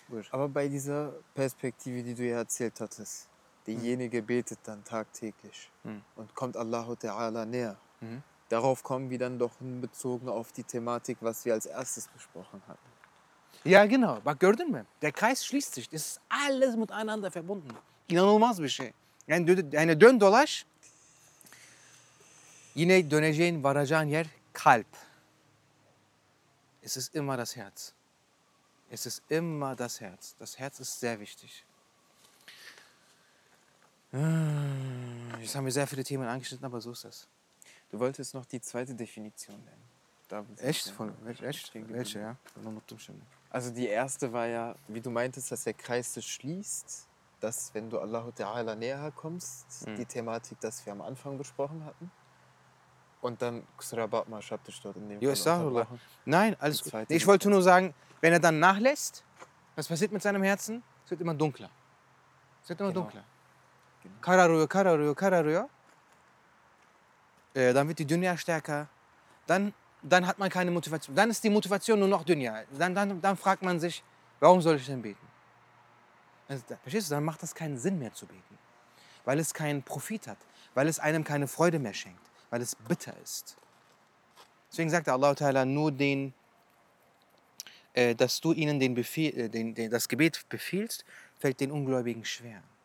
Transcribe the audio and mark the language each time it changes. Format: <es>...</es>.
<de>Aber bei dieser Perspektive, die du ja erzählt hattest, derjenige betet dann tagtäglich und kommt Allah Ta'ala näher. Darauf kommen wir dann doch bezogen auf die Thematik, was wir als erstes besprochen hatten. Ja, genau.</de> <tr>Bak gördün mü?</tr> <de>Der Kreis schließt sich. Das ist alles miteinander verbunden.</de> <tr>İnanılmaz bir şey. Yani dön dolaş. Yine döneceğin, varacağın yer kalp.</tr> <de>Es ist immer das Herz. Es ist immer das Herz. Das Herz ist sehr wichtig. Jetzt haben wir sehr viele Themen angeschnitten, aber so ist das. Du wolltest noch die zweite Definition nennen. Da echt? Von welche, ja? Von unten schon. Also die erste war ja, wie du meintest, dass der Kreis sich schließt, dass wenn du Allahu Ta'ala näher kommst, die Thematik, das wir am Anfang besprochen hatten. Und dann Xrabat Ma Shabtish dort in dem Fall. Nein, alles gut. Ich wollte nur sagen, wenn er dann nachlässt, was passiert mit seinem Herzen? Es wird immer dunkler. Es wird immer dunkler.</de> <tr>Kararıyor, kararıyor, kararıyor.</tr> <de>Dann wird die Dünya stärker. Dann hat man keine Motivation. Dann ist die Motivation nur noch Dünya. Dann fragt man sich, warum soll ich denn beten? Also, verstehst du? Dann macht das keinen Sinn mehr zu beten. Weil es keinen Profit hat. Weil es einem keine Freude mehr schenkt. Weil es bitter ist. Deswegen sagt Allah Ta'ala nur den, dass du ihnen den Befehl, das Gebet befiehlst, fällt den Ungläubigen schwer.</de>